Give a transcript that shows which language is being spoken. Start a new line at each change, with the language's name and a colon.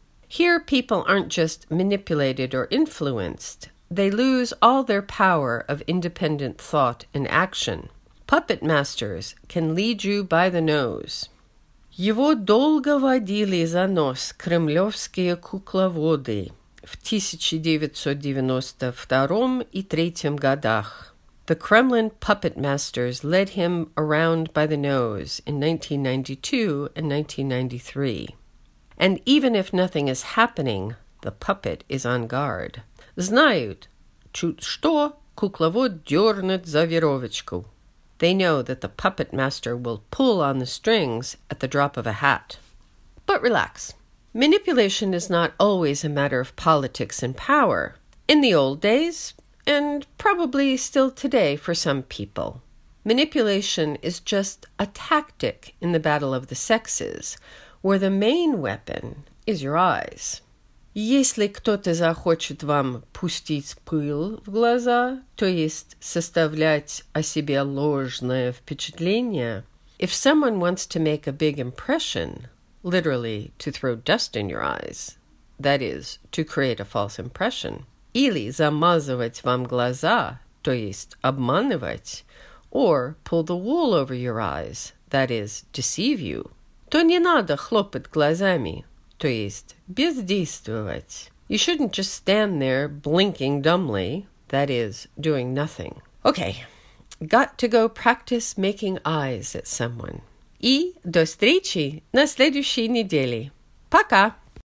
English: Here people aren't just manipulated or influenced, they lose all their power of independent thought and action. Puppet masters can lead you by the nose.
Russian: Его долго водили за нос кремлевские кукловоды в 1992 и 3 годах.
English: The Kremlin puppet masters led him around by the nose in 1992 and 1993. And even if nothing is happening, the puppet is on guard.
Russian: Знают, чуть что кукловод дернет за веровочку.
English: They know that the puppet master will pull on the strings at the drop of a hat. But relax. Manipulation is not always a matter of politics and power. In the old days, and probably still today for some people, manipulation is just a tactic in the battle of the sexes, where the main weapon is your eyes.
Russian: Если кто-то захочет вам пустить пыль в глаза, то есть составлять о себе ложное впечатление,
English: if someone wants to make a big impression, literally to throw dust in your eyes, that is, to create a false impression,
Russian: или замазывать вам глаза, то есть обманывать,
English: or pull the wool over your eyes, that is, deceive you,
Russian: то не надо хлопать глазами, то есть бездействовать.
English: You shouldn't just stand there blinking dumbly, that is, doing nothing. Okay, got to go practice making eyes at someone.
Russian: И до встречи на следующей неделе. Пока!